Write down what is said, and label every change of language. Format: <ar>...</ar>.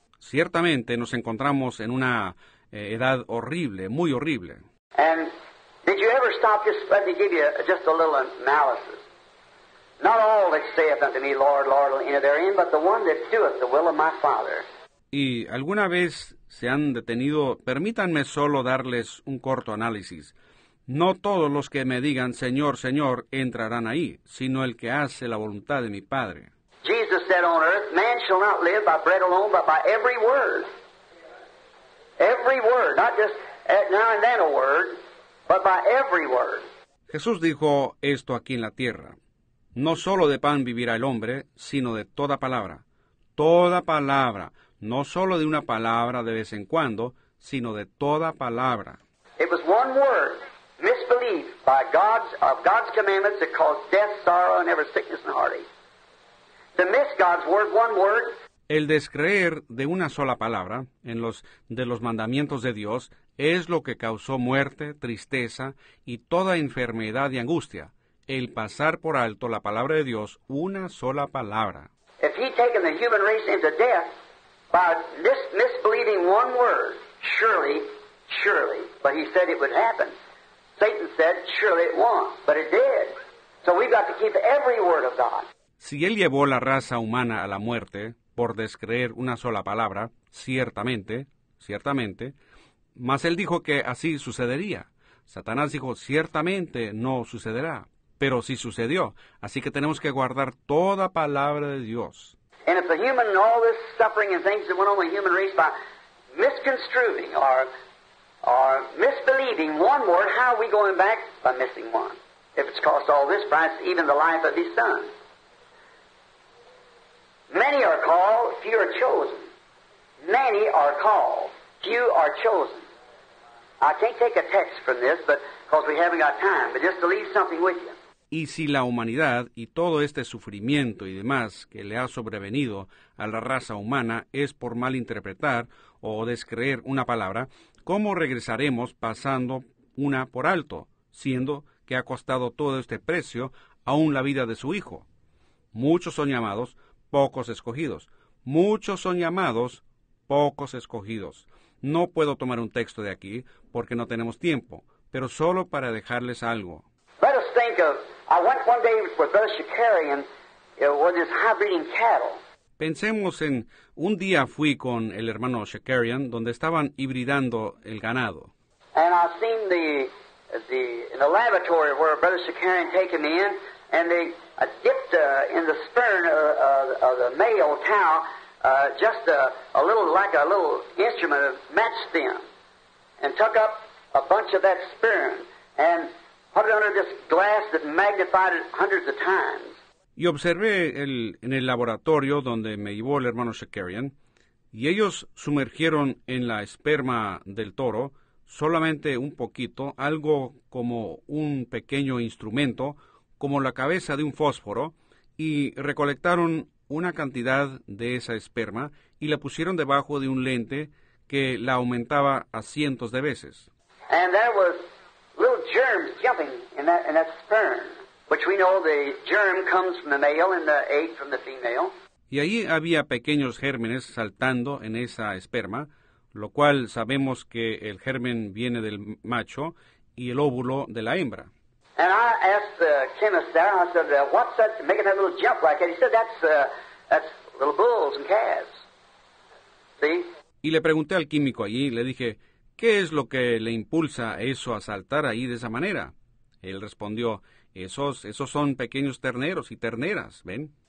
<es>Ciertamente nos encontramos en una edad horrible, muy horrible.</es> <en>And did you ever stop? Let me give you a little analysis. Not all that saith unto me, Lord, Lord, will enter therein, but the one that doeth the will of my Father.</en> <es>¿Y alguna vez se han detenido? Permítanme solo darles un corto análisis. No todos los que me digan, Señor, Señor, entrarán ahí, sino el que hace la voluntad de mi Padre.</es> <en>Jesus said on earth, man shall not live by bread alone, but by every word. Every word, not just at now and then a word. But by every word.</en> <es>Jesús dijo esto aquí en la tierra. No solo de pan vivirá el hombre, sino de toda palabra. Toda palabra. No solo de una palabra de vez en cuando, sino de toda palabra.</es> <en>It was one word, misbelief, by God's, of God's commandments that caused death, sorrow, and every sickness and heartache. To miss God's word, one word.</en> <es>El descreer de una sola palabra en los mandamientos de Dios es lo que causó muerte, tristeza y toda enfermedad y angustia. El pasar por alto la palabra de Dios, una sola palabra.</es> <en>If he'd taken the human race into death by misbelieving one word, surely, surely, but he said it would happen. Satan said, surely it won't, but it did. So we've got to keep every word of God.</en> <es>Si él llevó la raza humana a la muerte por descreer una sola palabra, ciertamente, ciertamente, mas él dijo que así sucedería. Satanás dijo, ciertamente no sucederá, pero sí sucedió, así que tenemos que guardar toda palabra de Dios.</es> <en>And if the human, all this suffering and things that went on the human race by misconstruing or misbelieving one word, how are we going back by missing one? if it's cost all this price, even the life of his son. Many are called, few are chosen. Many are called, few are chosen. I can't take a text from this, but because we haven't got time, but just to leave something with you.</en> <es>Y si la humanidad y todo este sufrimiento y demás que le ha sobrevenido a la raza humana es por malinterpretar o descreer una palabra, ¿cómo regresaremos pasando una por alto, siendo que ha costado todo este precio aún la vida de su hijo? Muchos son llamados, pocos escogidos. Muchos son llamados, pocos escogidos. No puedo tomar un texto de aquí porque no tenemos tiempo, pero solo para dejarles algo.</es> <en>Let us think of, I went one day with Brother Shakarian with his high breeding cattle.</en> <es>Pensemos en, un día fui con el hermano Shakarian donde estaban hibridando el ganado.</es> <en>And I seen the laboratory where Brother Shakarian taken me in, and they dipped in the sperm of the male cow just a little, like a little instrument of match stem, and took up a bunch of that sperm and put it under this glass that magnified it hundreds of times.</en> <es>Y observé en el laboratorio donde me llevó el hermano Shakarian, y ellos sumergieron en la esperma del toro solamente un poquito, algo como un pequeño instrumento, como la cabeza de un fósforo, y recolectaron una cantidad de esa esperma y la pusieron debajo de un lente que la aumentaba a cientos de veces.</es> <en>And there was little germs jumping in that sperm, which we know the germ comes from the male and the egg from the female.</en> <es>Y ahí había pequeños gérmenes saltando en esa esperma, lo cual sabemos que el germen viene del macho y el óvulo de la hembra.</es> <en>And I asked the chemist there, I said, what's that making that little jump like that? He said, that's little bulls and calves. See?</en> <es>Y le pregunté al químico allí, le dije, ¿qué es lo que le impulsa eso a saltar ahí de esa manera? Él respondió, esos son pequeños terneros y terneras, ¿ven?</es>